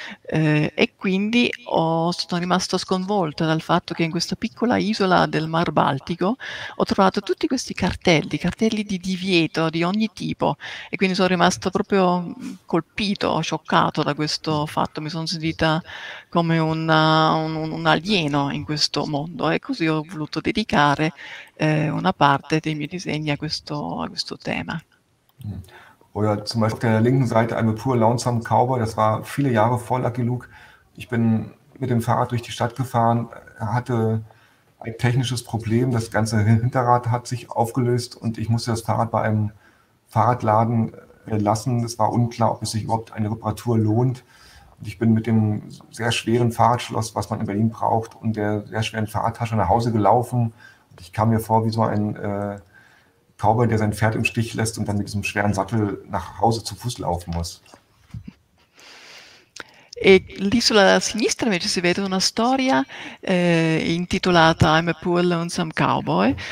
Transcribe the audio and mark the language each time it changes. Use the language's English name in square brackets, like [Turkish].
[Italian] E quindi sono rimasta sconvolta dal fatto che in questa piccola isola del Mar Baltico ho trovato tutti questi cartelli di divieto di ogni tipo, e quindi sono rimasta proprio colpito, scioccato da questo fatto. Mi sono sentita come un alieno in questo mondo, e così ho voluto dedicare una parte dei miei disegni a questo tema. [German] Oder zum Beispiel auf der linken Seite [English] I'm a poor lonesome cowboy, [German] das war viele Jahre vor Lucky Luke. Ich bin mit dem Fahrrad durch die Stadt gefahren, hatte ein technisches Problem, das ganze Hinterrad hat sich aufgelöst und ich musste das Fahrrad bei einem Fahrradladen lassen. Es war unklar, ob es sich überhaupt eine Reparatur lohnt. Und ich bin mit dem sehr schweren Fahrradschloss, was man in Berlin braucht, und der sehr schweren Fahrradtasche nach Hause gelaufen. Und ich kam mir vor wie so ein Cowboy, der sein Pferd im Stich lässt und dann mit diesem schweren Sattel nach Hause zu Fuß laufen muss. [Italian] E lì sulla sinistra invece si vede una storia intitolata [English] I'm a Poor Lonesome Cowboy.